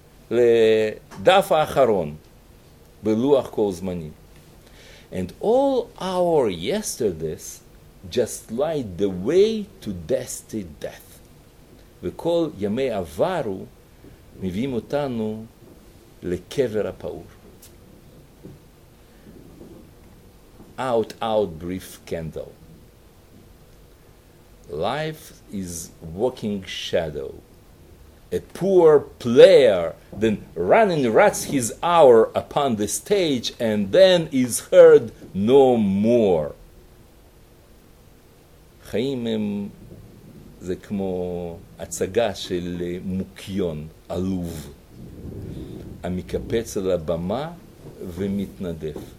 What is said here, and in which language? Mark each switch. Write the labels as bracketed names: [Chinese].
[Hebrew] לדף האחרון, בלוח כל זמנים. [English] And all our yesterdays just light the way to dusty death. [Hebrew] וכל ימי עברו מביאים אותנו לקבר הפאור. [English] Out, out, brief candle. Life is walking shadow. A poor player then running rats his hour upon the stage and then is heard no more. [Hebrew] חיים הם זה כמו הצגה של מוקיון, עלוב, המקפץ על הבמה ומתנדף.